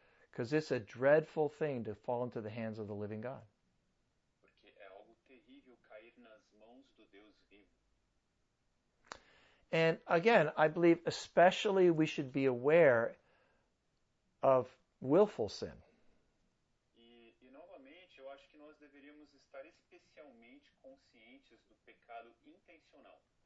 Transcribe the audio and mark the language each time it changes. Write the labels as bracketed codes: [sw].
[en] Because it's a dreadful thing to fall into the hands of the living God. [pt] Porque é algo terrível cair nas mãos do Deus vivo. [en] And again, I believe especially we should be aware of willful sin. [pt] E novamente, eu acho que nós deveríamos estar especialmente conscientes do pecado intencional.